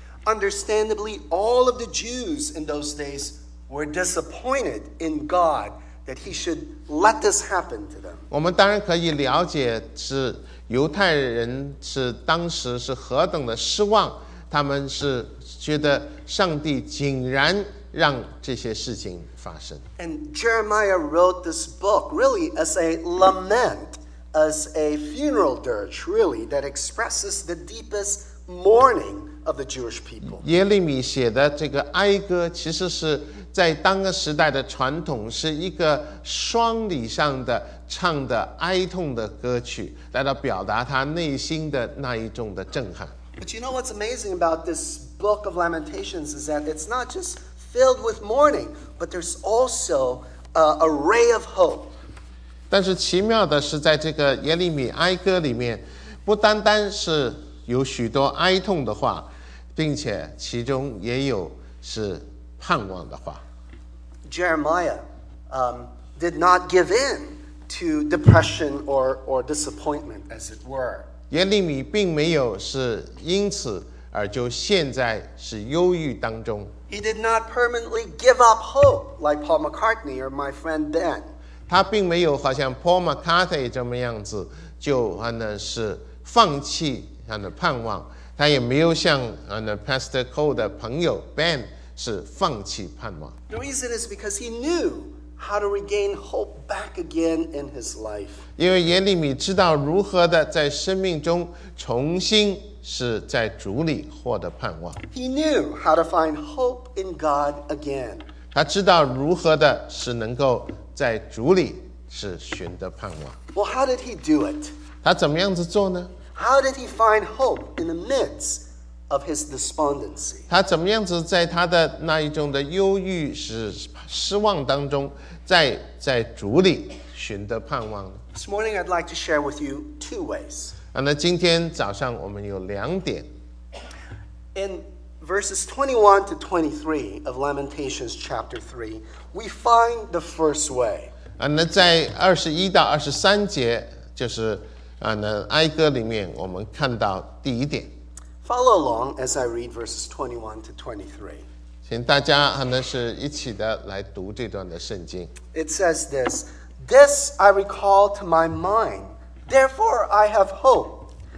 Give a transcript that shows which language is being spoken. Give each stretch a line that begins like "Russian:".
English: Understandably, all of the Jews in those days were disappointed in God that he should let this happen to them.
Chinese: 我们当然可以了解是犹太人是当时是何等的失望，他们是觉得上帝竟然让这些事情发生。
English: And Jeremiah wrote this book really as a lament, as a funeral dirge really that expresses the deepest mourning of the Jewish people.
Chinese: 耶利米写的这个哀歌其实是在当个时代的传统，是一个双礼上的唱的哀痛的歌曲，来到表达他内心的那一种的震撼。
English: But you know what's amazing about this book of Lamentations is that it's not just filled with mourning, but there's also a ray of hope.
Chinese: 但是奇妙的是，在这个耶利米哀歌里面，不单单是有许多哀痛的话，并且其中也有是盼望的话。
English: Jeremiah did not give in to depression or disappointment, as it were.
Chinese: 耶利米并没有是因此而就陷在是忧郁当中。
English: He did not permanently give up hope like Paul McCartney or my friend Ben.
Chinese: 他并没有好像 Paul McCartney 这么样子就是放弃盼望，他也没有像 Pastor Cole 的朋友 Ben是放弃盼望。
English: The reason is because he knew how to regain hope back again in his life.
Chinese: 因为耶利米知道如何的在生命中重新是在主里获得盼望。
English: He knew how to find hope in God again.
Chinese: 他知道如何的是能够在主里是寻得盼望。
English: Well, how did he do it?
Chinese: 他怎么样子做呢？
English: How did he find hope in the midst of his despondency?
Chinese: 他怎么样子在他的那一种的忧郁是失望当中在主里寻得盼望呢？
English: This morning I'd like to share with you two ways.
Chinese: 那今天早上我们有两点。
English: In verses 21 to 23 of Lamentations chapter 3, we find the first way.
Chinese: 那在21到23节就是那哀歌里面我们看到第一点。
English: Follow along as I read verses 21 to 23.
Chinese: 请大家是一起的来读这段的圣经。
English: It says this, This I recall to my mind, therefore I have hope.